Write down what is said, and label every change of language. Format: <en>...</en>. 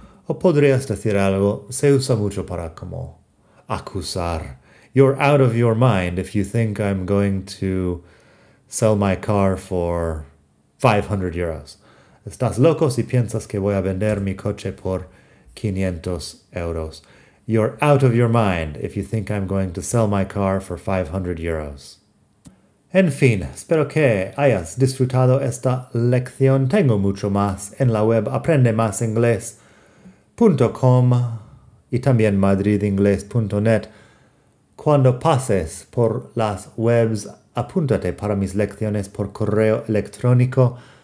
<es>O podrías decir algo, se usa mucho para como acusar.</es> <en>You're out of your mind if you think I'm going to sell my car for 500 euros.</en> <es>Estás loco si piensas que voy a vender mi coche por 500 euros.</es> <en>You're out of your mind if you think I'm going to sell my car for 500 euros.</en> <es>En fin, espero que hayas disfrutado esta lección. Tengo mucho más en la web aprendemasingles.com. Y también madridingles.net. Cuando pases por las webs, apúntate para mis lecciones por correo electrónico.</es>